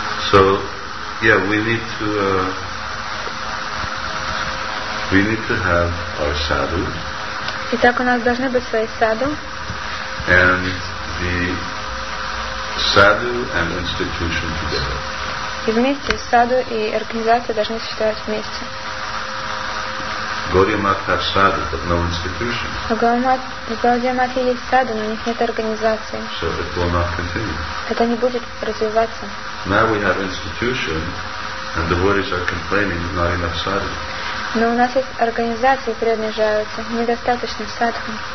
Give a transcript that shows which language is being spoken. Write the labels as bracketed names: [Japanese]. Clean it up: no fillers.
[English] So, yeah, we need to have our sadhu. [Russian] Итак, у нас должны быть свои саду. [English] And the sadhu and institution together. [Russian] И вместе саду и организация должны существовать вместе. [English] Gaudiya Math has sadhu, but no institution. [Russian] Gaudiya Math есть саду, но у них нет организации. [English] So it will not continue. [Russian] Это не будет развиваться. [English] Now we have institution, and the devotees are complaining, not enough sadhu. [Russian] Но у нас есть организации, преданные жалуются, недостаточно садху.